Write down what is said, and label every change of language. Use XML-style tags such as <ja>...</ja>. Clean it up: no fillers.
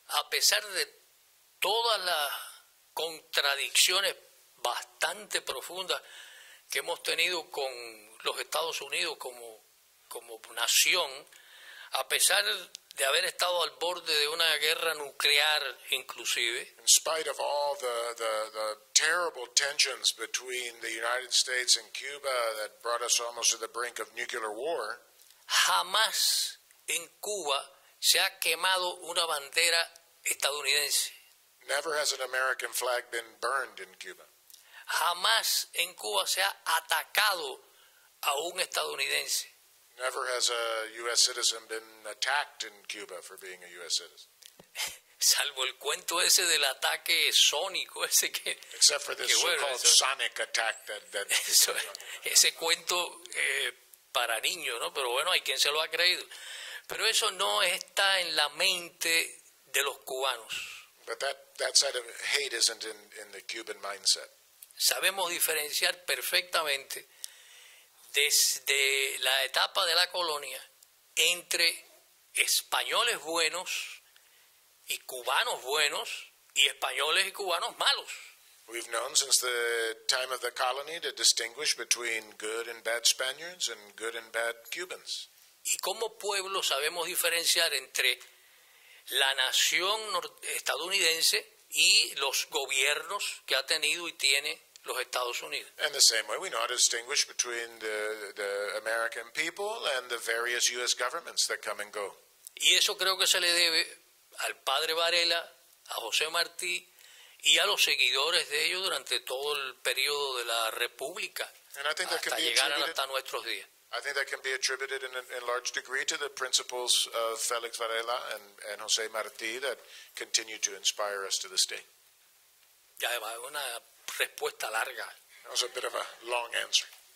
<es>A pesar de todas las contradicciones bastante profundas que hemos tenido con los Estados Unidos como nación, a pesar de haber estado al borde de una guerra nuclear inclusive,</es> <en>in spite of all the terrible tensions between the United States and Cuba that brought us almost to the brink of nuclear war,</en> <es>jamás en Cuba se ha quemado una bandera estadounidense.</es> <en>Never has an American flag been burned in Cuba.</en> <es>Jamás en Cuba se ha atacado a un estadounidense.</es> <en>Never has a U.S. citizen been attacked in Cuba for being a U.S. citizen.</en> <es>Salvo el cuento ese del ataque sónico ese que...</es> <en>Except for this</en> <es>que,</es> <en>so-called</en> <es>eso,</es> <en>sonic attack that</en> <es>eso, ese cuento para niños, ¿no? Pero bueno, hay quien se lo ha creído. Pero eso no está en la mente de los cubanos.</es> <en>But that side of hate isn't in the Cuban mindset.</en> <es>Sabemos diferenciar perfectamente desde la etapa de la colonia entre españoles buenos y cubanos buenos y españoles y cubanos malos.</es> <en>We've known since the time of the colony to distinguish between good and bad Spaniards and good and bad Cubans.</en> <es>Y como pueblo sabemos diferenciar entre la nación estadounidense y los gobiernos que ha tenido y tiene los Estados Unidos.</es> <en>And the same way we know how to distinguish between the American people and the various U.S. governments that come and go.</en> <es>Y eso creo que se le debe al padre Varela, a José Martí, y a los seguidores de ellos durante todo el periodo de la República, hasta llegar hasta nuestros días.</es> <en>I think that can be attributed in large degree to the principles of Félix Varela and José Martí that continue to inspire us to this day.</en> <es>Y además es una respuesta larga.</es> <en>That was a bit of a long answer.</en>